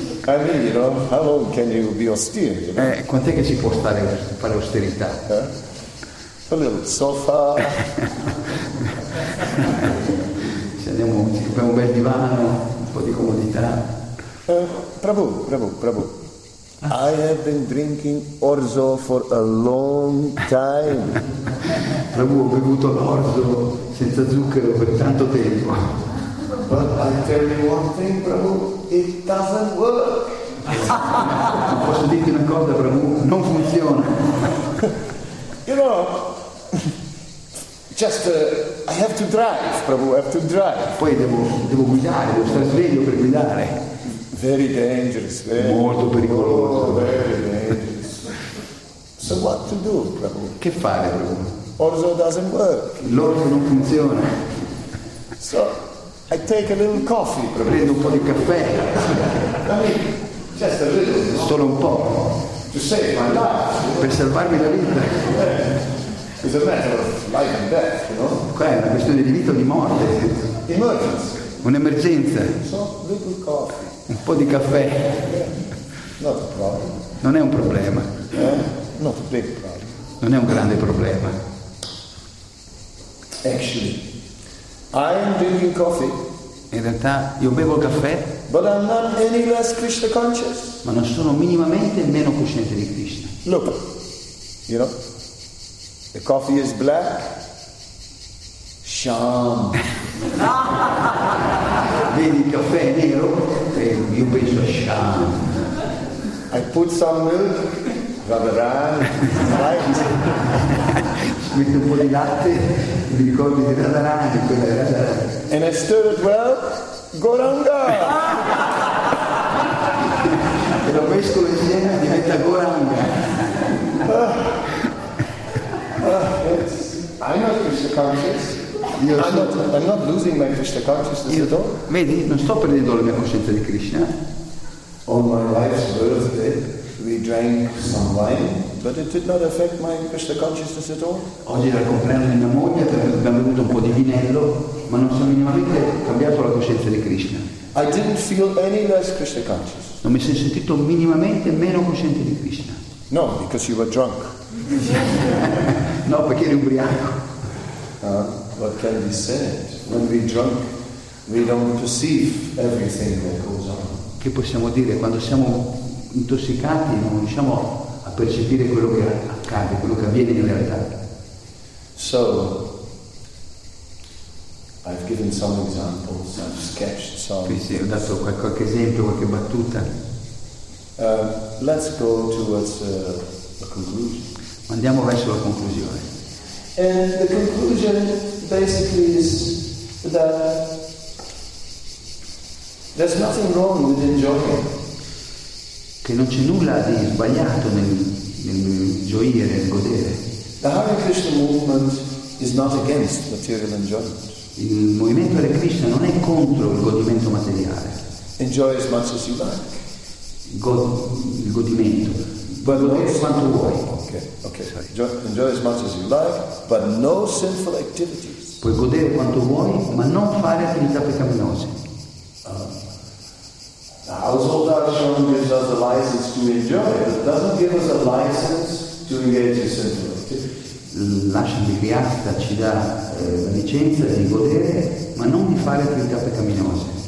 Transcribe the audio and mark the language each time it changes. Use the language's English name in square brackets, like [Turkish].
[English] I mean, you know, how long can you be austere? You know? [Italian] Quant'è che si può stare a fare austerità? [English] A little sofa. [Italian] Se andiamo, ci compriamo un bel divano, un po' di comodità. Bravo. [English] I have been drinking orzo for a long time. [Italian] Prabhu, ho bevuto l'orzo senza zucchero per tanto tempo. [English] But I tell you one thing, Prabhu, it doesn't work. [Italian] Posso dirti una cosa, Prabhu, non funziona. [English] You know, just I have to drive, Prabhu, I have to drive. [Italian] Poi devo guidare, devo stare sveglio per guidare. [English] Very dangerous, very [Italian] molto pericoloso. [English] Very dangerous. So what to do, Prabhu? [Italian] Che fare, Prabhu? [English] Orzo doesn't work. [Italian] L'orzo non funziona. [English] So I take a little coffee, Prabhu. [Italian] Prendo un po' di caffè. [English] I mean, just a little. [Italian] Solo un po'. [English] To save my life. [Italian] Per salvarmi la vita. [English] It's a matter of life and death, you know? [Italian] Qua è una questione di vita o di morte. [English] Emergency. [Italian] Un'emergenza. [English] So little coffee. [Italian] Un po' di caffè. [English] Not a problem. [Italian] Non è un problema. [English] Not a big problem. [Italian] Non è un grande problema. [English] Actually, I'm drinking coffee. [Italian] In realtà io bevo il caffè. [English] But I'm not any less Krishna conscious. [Italian] Ma non sono minimamente meno cosciente di Krishna. [English] Look, you know, the coffee is black. Sham. [Italian] Vedi, il caffè è nero. Io penso a Sham. [English] I put some milk, Radharan, right? [Italian] Ci metto un po' di latte, mi ricordo di Radharan, quella è Radharan. [English] And I stir it well, Goranga! [Italian] E lo mescolo insieme e diventa Goranga. [English] I'm not Krishna conscious. I'm not losing my Krishna consciousness at all. [Italian] Vedi, non sto perdendo la mia coscienza di Krishna. [English] On my wife's birthday, we drank some wine, but it did not affect my Krishna consciousness at all. [Italian] Oggi era il compleanno di mia moglie, abbiamo bevuto un po' di vinello, ma non sono minimamente cambiato la coscienza di Krishna. [English] I didn't feel any less Krishna conscious. [Italian] Non mi sono sentito minimamente meno cosciente di Krishna. [English] No, because you were drunk. [Italian] No, perché eri ubriaco. [English] What can be said? When we drunk, we don't perceive everything that goes on. [Italian] Che possiamo dire? Quando siamo intossicati non riusciamo a percepire quello che accade, quello che avviene in realtà. [English] So, I've given some examples, I've sketched some. [Italian] Quindi ho dato qualche esempio, qualche battuta. [English] Let's go towards a conclusion. [Italian] Andiamo verso la conclusione. [English] And the conclusion basically is that there's nothing wrong with enjoying. [Italian] Che non c'è nulla di sbagliato nel gioire, nel godere. [English] The Hare Krishna movement is not against material enjoyment. [Italian] Il movimento Hare Krishna non è contro il godimento materiale. [English] Enjoy as much as you like. [Italian] Il godimento. [English] But [Italian] godere quanto vuoi. [English] Enjoy as much as you like, but no sinful activities. [Italian] Puoi godere quanto vuoi, ma non fare attività peccaminose. [English] The household ashram gives us a license to enjoy, but it doesn't give us a license to engage in sinful activities. [Italian] L'ashram di Vyasa ci dà la licenza di godere, ma non di fare attività peccaminose.